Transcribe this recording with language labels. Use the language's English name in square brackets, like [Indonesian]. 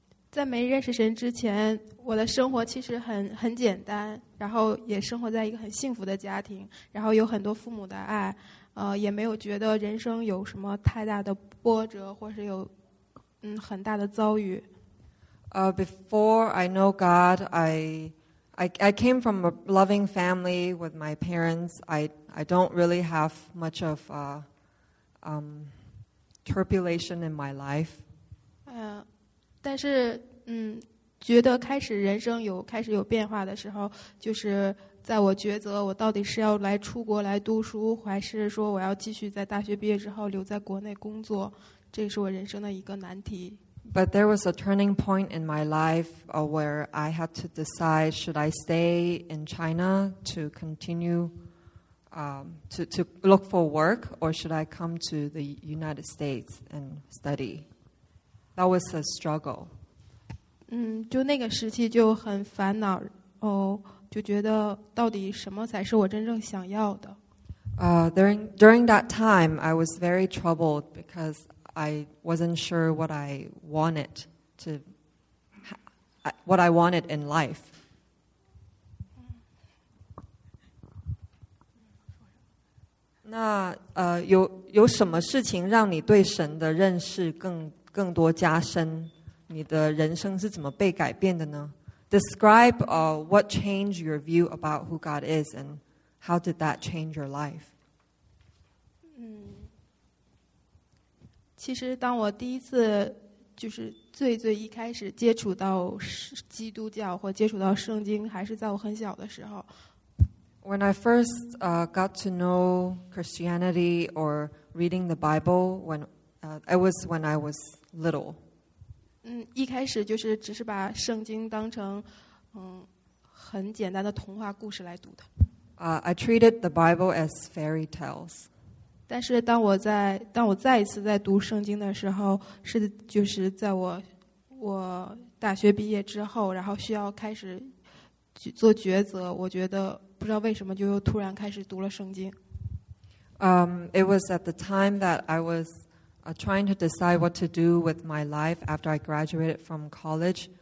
[Chinese] 在没认识神之前，我的生活其实很简单，然后也生活在一个很幸福的家庭，然后有很多父母的爱，也没有觉得人生有什么太大的波折，或是有很大的遭遇。 [English] Before I know God, I came from a loving family with my parents. I don't really have much of tribulation in my life. [Chinese] 但是觉得开始人生有开始有变化的时候，就是在我抉择我到底是要来出国来读书，还是说我要继续在大学毕业之后留在国内工作，这是我人生的一个难题。 [English] But there was a turning point in my life where I had to decide, should I stay in China to continue to look for work, or should I come to the United States and study? That was a struggle. [Chinese] 就那个时期就很烦恼，就觉得到底什么才是我真正想要的。 [English] During that time, I was very troubled because I wasn't sure what I wanted to, what I wanted in life. Now, [Chinese] 有什么事情让你对神的认识更多加深？你的人生是怎么被改变的呢？ [English] Describe what changed your view about who God is and how did that change your life? [Chinese] 其实当我第一次就是最最一开始接触到基督教或接触到圣经还是在我很小的时候。 [English] When I first got to know Christianity or reading the Bible, it was when I was little. [Chinese] 一开始就是只是把圣经当成很简单的童话故事来读的。 [English] I treated the Bible as fairy tales. [Chinese] 但是当我再一次在读圣经的时候，是就是在我大学毕业之后，然后需要开始做抉择。我觉得不知道为什么就又突然开始读了圣经。 [English] It was at the time that I was trying to decide what to do with my life after I graduated from college.